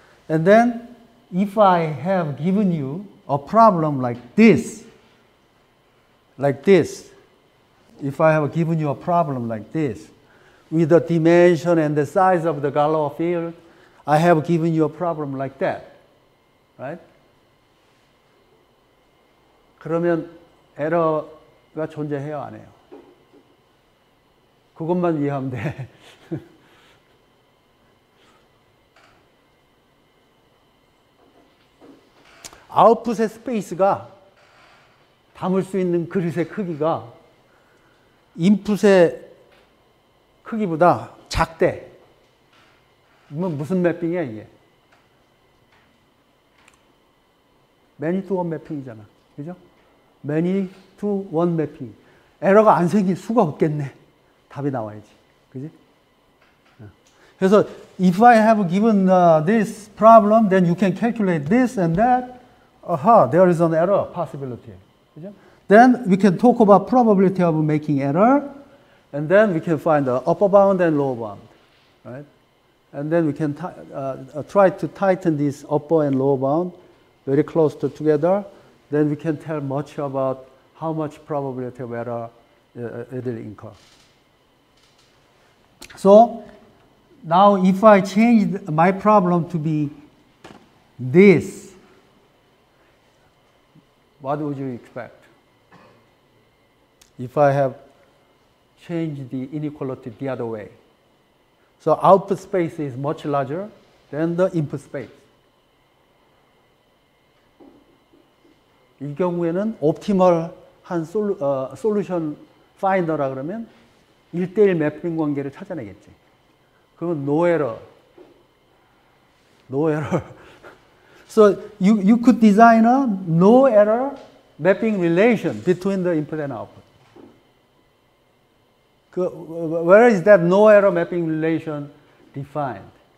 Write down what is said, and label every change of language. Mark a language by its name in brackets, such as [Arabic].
[English] And then if I have given you a problem like this, if I have given you a problem like this, with the dimension and the size of the Galois field, I have given you a problem like that, right? [Korean] 그러면 에러가 존재해요, 안 해요? 그것만 이해하면 돼. 아웃풋의 스페이스가 담을 수 있는 그릇의 크기가 인풋의 크기보다 작대. 이건 무슨 맵핑이야, 이게? 매니 투 원 맵핑이잖아. 그죠? 매니 투 원 맵핑. 에러가 안 생길 수가 없겠네. 답이 나와야지. 그지? 그래서, [English] if I have given this problem, then you can calculate this and that. Aha, there is an error possibility. [Korean] 그죠? [English] Then we can talk about probability of making error, and then we can find the upper bound and lower bound, right? And then we can try to tighten this upper and lower bound very close to together. Then we can tell much about how much probability of error it will incur. So now if I change my problem to be this, what would you expect? If I have changed the inequality the other way. So output space is much larger than the input space. [Korean] 이 경우에는 옵티멀 한 솔루션 파인더라 그러면 1대1 맵핑 관계를 찾아내겠지. 그건 [English] no error. No error. So you could design a no error mapping relation between the input and output. Where is that no error mapping relation defined?